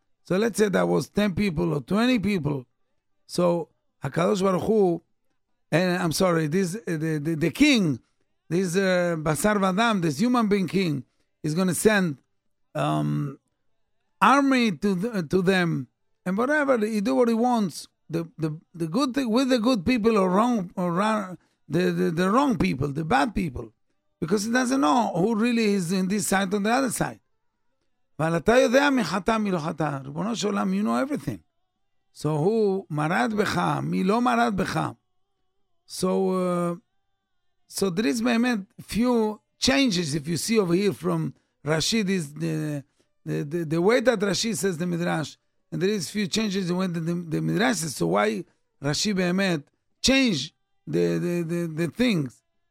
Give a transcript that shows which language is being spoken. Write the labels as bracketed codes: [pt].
[en] So let's say that was 10 people or 20 people. So הקדוש ברוך הוא, and I'm sorry, this the king, this [he] בשר ודם, [en] this human being king, is going to send army to them, and whatever, he do what he wants, the good thing, with the good people or the wrong people, the bad people. Because he doesn't know who really is in this side on the other side. [he] אבל אתה יודע מי חטא מי לא חטא. ריבונו של עולם, [en] you know everything. So who [he] מרד בך, מי לא מרד בך. [en] So there is באמת few changes if you see over here from Rashid is the way that Rashid says the Midrash. And there is few changes in the way that the Midrash says. So why Rashid באמת change the things.